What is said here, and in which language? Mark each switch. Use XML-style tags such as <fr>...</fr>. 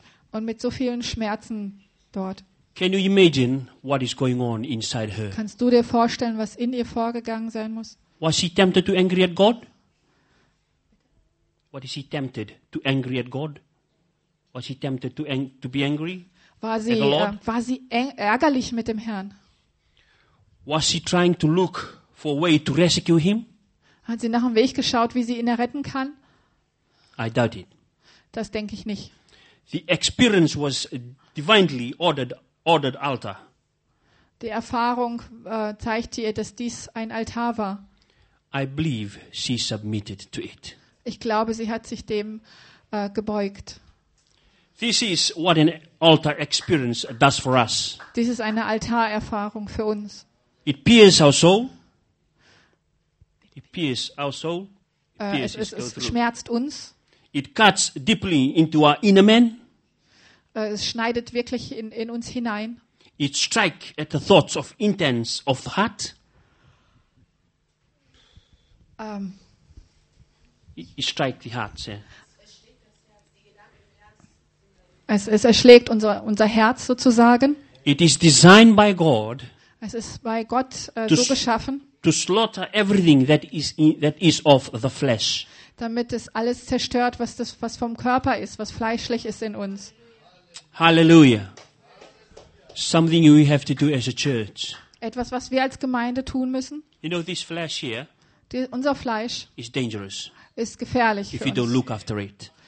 <de>Und mit so vielen Schmerzen dort.</de> <en>Can you imagine what is going on inside her?</en> <de>Kannst du dir vorstellen, was in ihr vorgegangen sein muss?</de> <en>Was she tempted to angry at God? What is she tempted to angry at God? Was she tempted to be angry?</en> <de>War sie</de> <en>at the Lord?</en> <de>War sie ärgerlich mit dem Herrn?</de> <en>Was she trying to look for a way to rescue him?</en> <de>Hat sie nach einem Weg geschaut, wie sie ihn retten kann?</de> <en>I doubt it.</en> <de>Das denke ich nicht.</de> <en>The experience was divinely ordered altar.</en> <de>Die Erfahrung zeigte ihr, dass dies ein Altar war.</de> <en>I believe she submitted to it.</en> <de>Ich glaube, sie hat sich dem gebeugt.</de> <en>This is what an altar experience does for us.</en> <de>Dies ist eine Altarerfahrung für uns.</de> <en>It pierces our soul. It pierces our soul.</en> <de>Es schmerzt uns.</de> <en>It cuts deeply into our inner man.</en> <de>Es schneidet wirklich in uns hinein.</de> <en>It strikes at the thoughts of intents of the heart. It strikes the heart. Yeah.</en> <de>Es erschlägt unser Herz sozusagen.</de> <en>It is designed by God.</en> <de>Es ist bei Gott so geschaffen.</de> <en>To slaughter everything that is of the flesh.</en> <de>Damit es alles zerstört, was vom Körper ist, was fleischlich ist in uns.</de> <en>Hallelujah. Something we have to do as a church.</en> <de>Etwas, was wir als Gemeinde tun müssen.</de> <en>You know, this flesh here.</en> <de>Unser Fleisch.</de> <en>Is dangerous.</en> <de>Ist gefährlich.</de> <en>If you don't look after it.</en>